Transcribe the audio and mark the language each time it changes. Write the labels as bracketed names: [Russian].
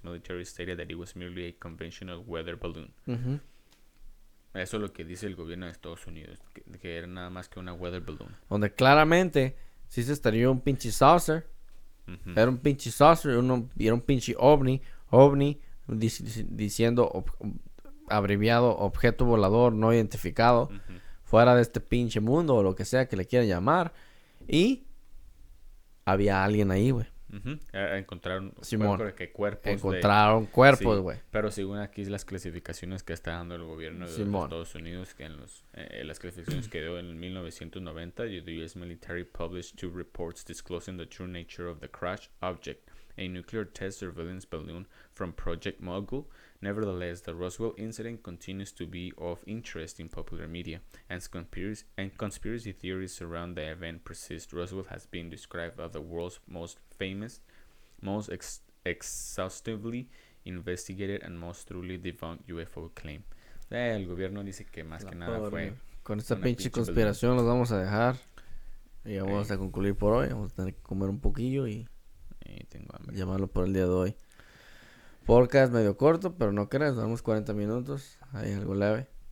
[English] military stated that it was merely a conventional weather balloon. Uh-huh. [Spanish] Eso es lo que dice el gobierno de Estados Unidos, que era nada más que una weather balloon. Donde claramente sí se estaría un pinche saucer, era un pinche saucer, era un pinche ovni, diciendo abreviado objeto volador no identificado, fuera de este pinche mundo o lo que sea que le quieran llamar, y había alguien ahí, güey. Encontraron Simón, cuerpos. Encontraron de... cuerpos, güey. Sí, pero según aquí las clasificaciones que está dando el gobierno de Simón. Los Estados Unidos, que en los las clasificaciones que dio en 1990, [English] the U.S. military published two reports disclosing the true nature of the crash object, a nuclear test surveillance balloon from Project Mogul. Nevertheless, the Roswell incident continues to be of interest in popular media, and conspiracy theories around the event persist. Roswell has been described as the world's most famous, most exhaustively investigated, and most truly debunked UFO claim. [Spanish] El gobierno dice que más que nada fue... Con esta pinche conspiración los vamos a dejar, y vamos a concluir por hoy. Vamos a tener que comer un poquillo y... Tengo hambre. Llamarlo por el día de hoy. Podcast medio corto, pero no creas, damos 40 minutos. Hay algo leve.